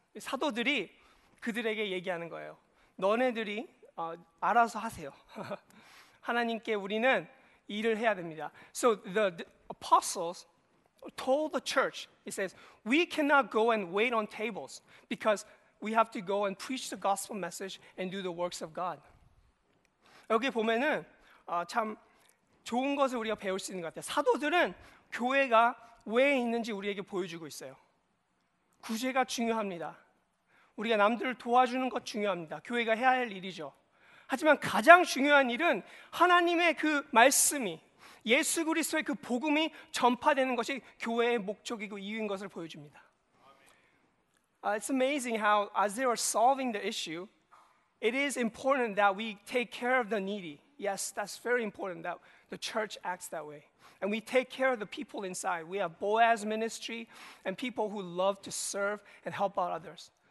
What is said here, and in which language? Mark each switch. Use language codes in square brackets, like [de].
[ko] 사도들이 그들에게 얘기하는 거예요. 너네들이 알아서 하세요. 하나님께 우리는 일을 해야 됩니다. [en] So the apostles told the church, he says, we cannot go and wait on tables because we have to go and preach the gospel message and do the works of God. [ko] 여기 보면은 참 좋은 것을 우리가 배울 수 있는 것 같아요. 사도들은 교회가 왜 있는지 우리에게 보여주고 있어요. 구제가 중요합니다. 우리가 남들을 도와주는 것 중요합니다. 교회가 해야 할 일이죠. 하지만 가장 중요한 일은 하나님의 그 말씀이 예수 그리스도의 그 복음이 전파되는 것이 교회의 목적이고 이유인 것을 보여줍니다. [en] It's amazing how as they are solving the issue, it is important that we take care of the needy. Yes, that's very important that the church acts that way. And we take care of the people inside. We have Boaz ministry and people who love to serve and help out others.